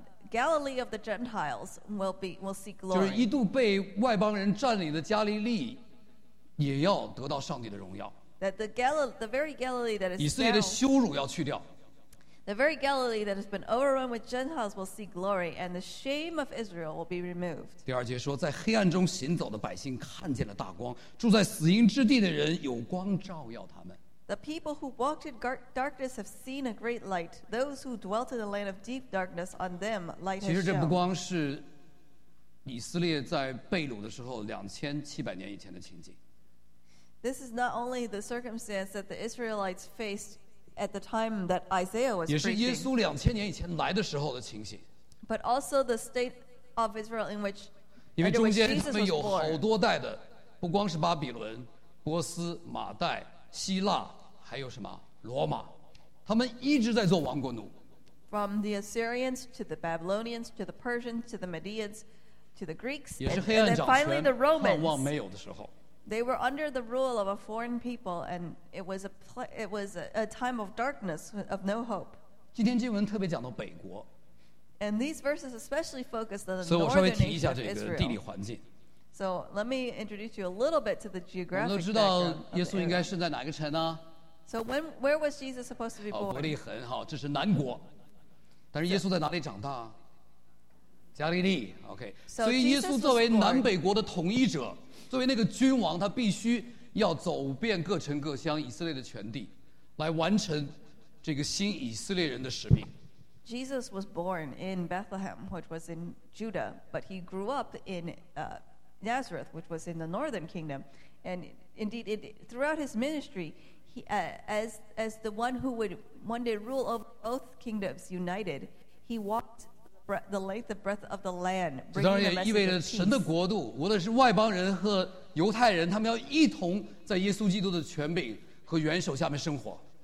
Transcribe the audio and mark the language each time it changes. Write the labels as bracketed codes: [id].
[en] Galilee of the Gentiles will see glory. [zh] 就是一度被外邦人占领的加利利，也要得到上帝的荣耀。 [en] That the very Galilee that is [zh] 以色列的羞辱要去掉。 [en] The very Galilee that has been overrun with Gentiles will see glory, and the shame of Israel will be removed. [zh] 第二节说，在黑暗中行走的百姓看见了大光，住在死荫之地的人有光照耀他们。 [en] The people who walked in darkness have seen a great light. Those who dwelt in the land of deep darkness, on them light has shone. [zh] 其实这不光是以色列在被掳的时候2700年以前的情景。 [en] This is not only the circumstance that the Israelites faced at the time that Isaiah was preaching. [zh] 也是耶稣2000年以前来的时候的情形。 [en] But also the state of Israel in which [zh] 因为中间他们有好多代的，不光是巴比伦、波斯、马代、希腊，还有什么罗马，他们一直在做亡国奴。 [en] From the Assyrians to the Babylonians to the Persians to the Medians to the Greeks, [zh] 也是黑暗掌权、 [en] finally the Romans, [zh] 盼望没有的时候。 [en] They were under the rule of a foreign people, and it was a time of darkness of no hope. [zh] 今天经文特别讲到北国。 [en] And these verses especially focus on the northern nation of Israel. [zh] 所以我稍微提一下这个地理环境。 [en] So let me introduce you a little bit to the geographic background. [zh] 我们都知道耶稣应该是在哪个城呢？ [en] So when where was Jesus supposed to be born? [zh] 伯利恒哈，这是南国。但是耶稣在哪里长大？加利利 ，OK。所以耶稣作为南北国的统一者，作为那个君王，他必须要走遍各城各乡以色列的全地，来完成这个新以色列人的使命。 [en] Jesus was born in Bethlehem, which was in Judah, but he grew up in Nazareth, which was in the northern kingdom. And indeed, throughout his ministry, as the one who would one day rule over both kingdoms united, he walked the length and breadth of the land, bringing the message of peace. [zh] 当然也意味着神的国度，无论是外邦人和犹太人，他们要一同在耶稣基督的权柄和元首下面生活。